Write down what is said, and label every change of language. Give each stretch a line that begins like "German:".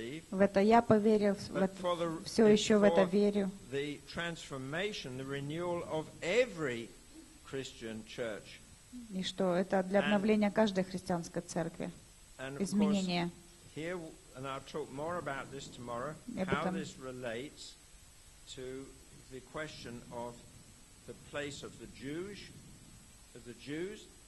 Russian: В это я поверил, все еще в это верю.
English: The transformation, the renewal of every Christian church.
Russian: И что это для обновления каждой христианской церкви, изменения.
English: And I'll talk more about this tomorrow, how this relates to the question of the place of the Jews.